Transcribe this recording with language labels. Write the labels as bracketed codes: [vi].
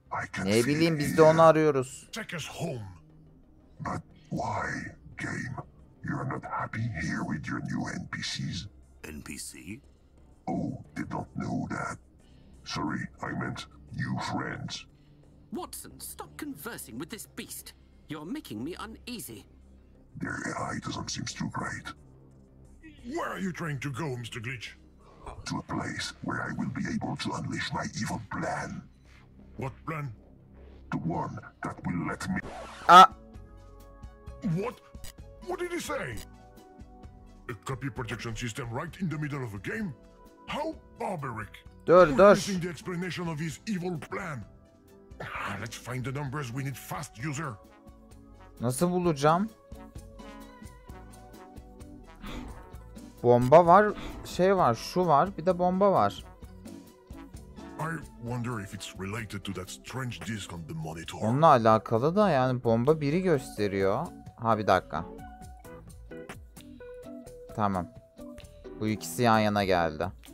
[en] I can't see. [tr] Ne bileyim, biz de onu arıyoruz. [en] Take us home. But why, game? You're not happy here with your new NPCs? NPC? Oh, did not know that. Sorry, I meant new friends. Watson, stop conversing with this beast. You're making me uneasy. Their AI doesn't seem too great. Where are you trying to go, Mr. Glitch? To a place where I will be able to unleash my evil plan. What plan? The one that will let me... Ah! What? What did he say? A copy protection system right in the middle of a game? How barbaric! [tr] Dur. [en] Missing the explanation of his evil plan. Let's find the numbers we need fast, user. [tr] Nasıl bulacağım? Bomba var, şey var, şu var, bir de bomba var. [en] I wonder if it's related to that strange disc on the monitor. [tr] Onunla alakalı da yani, bomba biri gösteriyor. Ha, bir dakika. Tamam. Bu ikisi yan yana geldi.